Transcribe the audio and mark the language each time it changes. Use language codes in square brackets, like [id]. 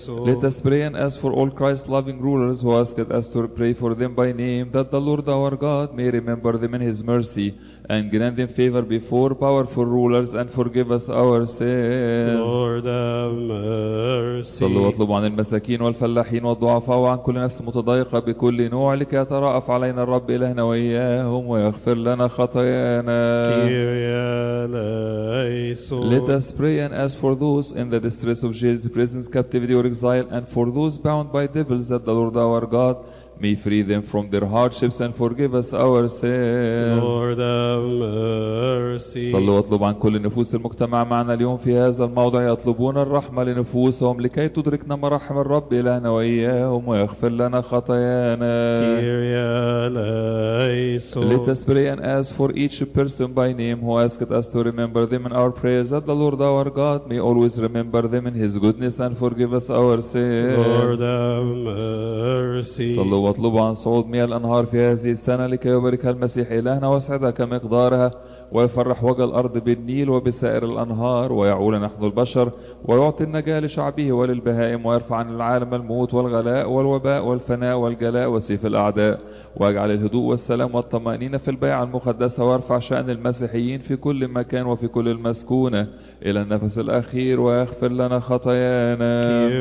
[en] Let us pray and ask for all Christ loving rulers who asked us to pray for them by name, that the Lord our God may remember them in His mercy and grant them favor before powerful rulers and forgive us our sins. Lord have mercy. [ar] صلوا واطلبوا عن المساكين والفلاحين والضعفاء وعن كل نفس متضايقة بكل نوع لكي يترأف علينا الرب إلهنا وإياهم ويغفر لنا خطايانا. [en] Let us pray and ask for those in the distress of jails, prisons, captivity or exile, and for those bound by devils, that the Lord our God may free them from their hardships and forgive us our sins. Lord have mercy. [ar] صلوا واطلبوا عن كل نفوس المجتمع معنا اليوم في هذا الموضع يطلبون الرحمة لنفوسهم لكي تدركنا مراحم الرب إلهنا وإياهم ويغفر لنا خطايانا. [en] Let us pray and ask for each person by name who asked us to remember them in our prayers, that the Lord our God may always remember them in His goodness and forgive us our sins. Lord have mercy. [ar] واطلب عن صعود مياه الأنهار في هذه السنة لكي يبارك المسيح إلهنا واسعدها كمقدارها ويفرح وجه الأرض بالنيل وبسائر الأنهار ويعول نحن البشر ويعطي النجاة لشعبه وللبهائم ويرفع عن العالم الموت والغلاء والوباء والفناء والجلاء وسيف الأعداء واجعل الهدوء والسلام والطمأنينة في البيعة المقدسة وارفع شأن المسيحيين في كل مكان وفي كل المسكونة إلى النفس الأخير ويغفر لنا خطايانا.